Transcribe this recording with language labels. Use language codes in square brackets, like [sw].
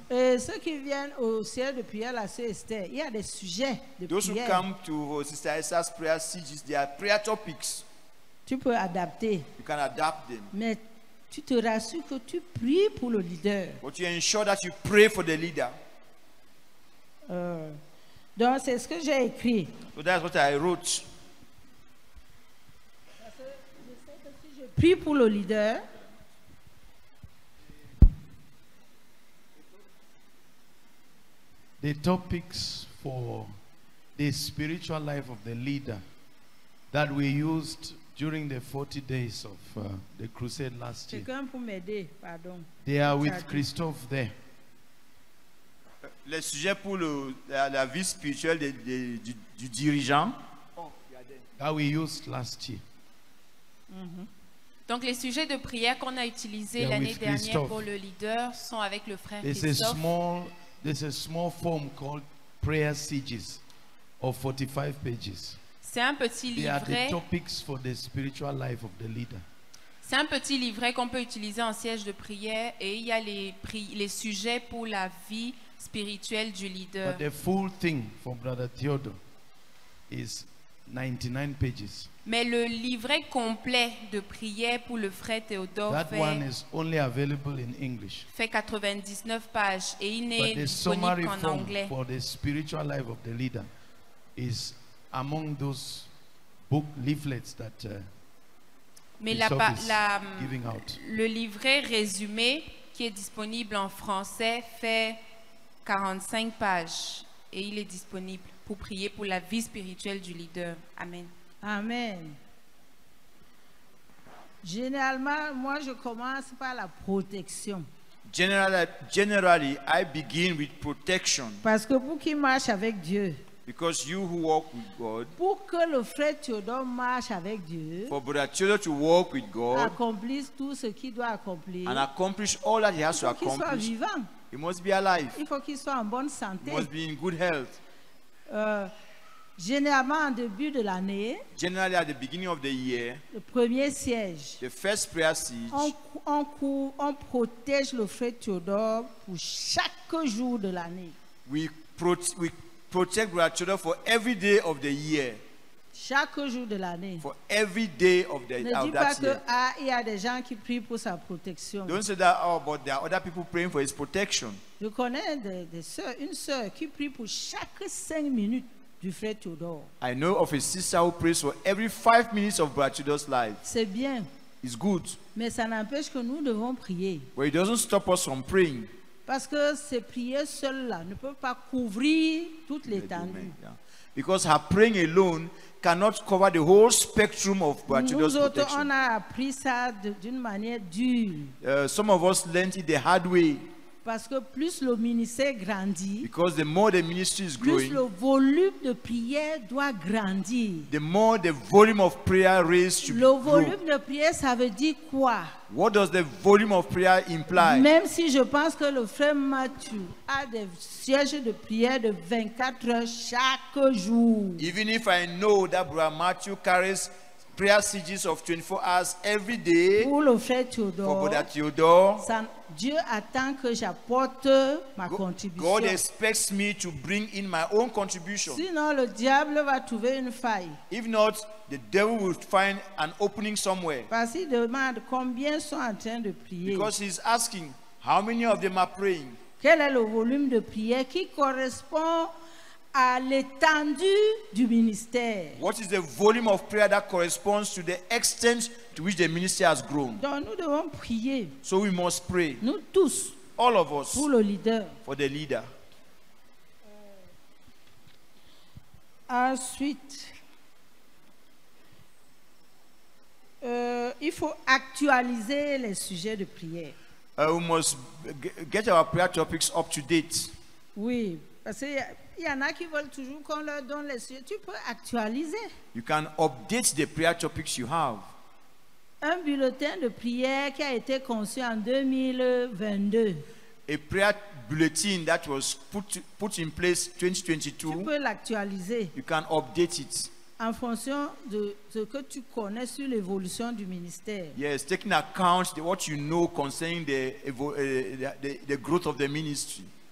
[fr] Et ceux qui viennent au ciel de prière, la sœur Esther, il y a des sujets de [en] those [fr] prière. [en] Who come to Sister Esther's prayer sigils, they are prayer topics. [fr] Tu peux adapter. [en] You can adapt them. [fr] Mais tu te rassures que tu pries pour le leader. [en] But you ensure that you pray for the leader. [fr] Donc c'est ce que j'ai écrit. [en] So that's what I wrote. [fr] Prie pour le leader. [en] The topics for the spiritual life of the leader that we used during the 40 days of the crusade last year. [fr] Quelqu'un pour m'aider, pardon. [en] They are with Christophe there. [fr] Le sujet pour la vie spirituelle du dirigeant. [en] That we used last year. [fr] Donc les sujets de prière qu'on a utilisés l'année dernière pour le leader sont avec le frère Christophe. [en] This is a small form called prayer sigils of 45 pages. [fr] C'est un petit livret. [en] They are the topics for the spiritual life of the leader. [fr] C'est un petit livret qu'on peut utiliser en siège de prière et il y a les sujets pour la vie spirituelle du leader. [en] But the full thing for Brother Theodore is 99 pages. [fr] Mais le livret complet de prière pour le frère Théodore [en] that one is only available in English. [fr] Fait 99 pages et il n'est disponible qu'en anglais. [en] For the spiritual life of the leader is among those book leaflets that [fr] mais la [en] giving out. [fr] Le livret résumé qui est disponible en français fait 45 pages et il est disponible pour prier pour la vie spirituelle du leader. Amen. Amen. Généralement, moi, je commence par la protection. [en] Generally, I begin with protection. [fr] Parce que pour qui marche avec Dieu. [en] Because you who walk with God. [fr] Pour que le frère Théodore marche avec Dieu. [en] For Brother Theodore to walk with God. [fr] Accomplisse tout ce qu'il doit accomplir. [en] And accomplish all that he has to accomplish. [fr] Il faut qu'il soit vivant. [en] He must be alive. [fr] Il faut qu'il soit en bonne santé. [en] He must be in good health. [fr] Généralement, en début de l'année, [en] generally at the beginning of the year, [fr] le premier siège, [en] the first prayer siege, [fr] on protège le frère Théodore pour chaque jour de l'année. [en] We protect Brother Theodore for every day of the year. [fr] Chaque jour de l'année. [en] For every day of the year. [fr] Ne dis pas que il y a des gens qui prient pour sa protection. [en] Don't say that, oh, but there are other people praying for his protection. [fr] Je connais des soeurs, une sœur qui prie pour chaque 5 minutes. [en] I know of a sister who prays for every 5 minutes of Brother Theodore's life. [fr] C'est bien. [en] It's good. [fr] Mais ça n'empêche que nous devons prier. [en] But it doesn't stop us from praying. [fr] Parce que ces prières seules-là ne peuvent pas couvrir toute l'étendue. [en] Because her praying alone cannot cover the whole spectrum of Brother Theodore's protection. [fr] Nous autres, on a appris ça d'une manière dure. [en] Some of us learned it the hard way. [fr] Parce que plus le ministère grandit, [en] because the more the ministry is [fr] plus [en] growing, [fr] le volume de prière doit grandir. [en] The more the volume of prayer raised should grow. [fr] Le volume de prière, ça veut dire quoi? [en] What does the volume of prayer imply? [fr] Même si je pense que le frère Mathieu a des sièges de prière de 24 heures chaque jour. [en] Even if I know that Brother Mathieu carries prayer sieges of 24 hours every day. [fr] Pour le frère Théodore, [en] for Brother Théodore, [fr] ça, Dieu attend que j'apporte ma contribution. [en] God expects me to bring in my own contribution. [fr] Sinon, le diable va trouver une faille. [en] If not, the devil will find an opening somewhere. [fr] Parce qu'il demande combien sont en train de prier. [en] Because he's asking how many of them are praying. [fr] Quel est le volume de prière qui correspond à l'étendue du ministère? [en] What is the volume of prayer that corresponds to the extent to which the ministry has grown? [fr] Donc nous devons prier. [en] So we must pray. [fr] Nous tous. [en] All of us. [fr] Pour le leader. [en] For the leader. [fr] Ensuite, il faut actualiser les sujets de prière. [en] We must get our prayer topics up to date. [fr] Oui, parce que il y en a qui veulent toujours qu'on leur donne les sujets. Tu peux actualiser. [en] You can update the prayer topics you have. [fr] Un bulletin de prière qui a été conçu en 2022. [en] A prayer bulletin that was put in place 2022. [fr] Tu peux l'actualiser. [en] You can update it. [fr] En fonction de ce que tu connais sur l'évolution du ministère. [en] Yes, taking account of what you know concerning the growth of the ministry.